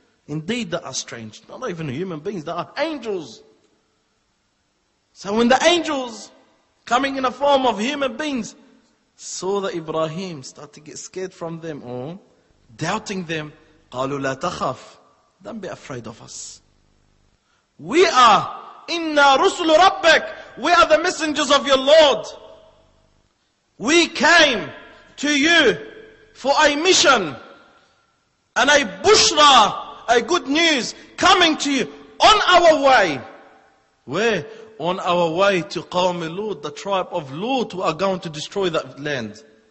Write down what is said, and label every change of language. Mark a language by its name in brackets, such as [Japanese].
[English] Indeed, they are strange. Not even human beings, they are angels. So when the angels, coming in the form of human beings, saw that Ibrahim started to get scared from them, or doubting them, [Arabic] قَالُوا لَا تَخَفْ. [English] Don't be afraid of us. We are, [Arabic] إِنَّا رُسُلُ رَبَّكَ. [English] We are the messengers of your Lord. We came to you for a mission and a bushra, a good news coming to you on our way. Where? On our way to Qawm Lut, the tribe of Lut, who are going to destroy that land.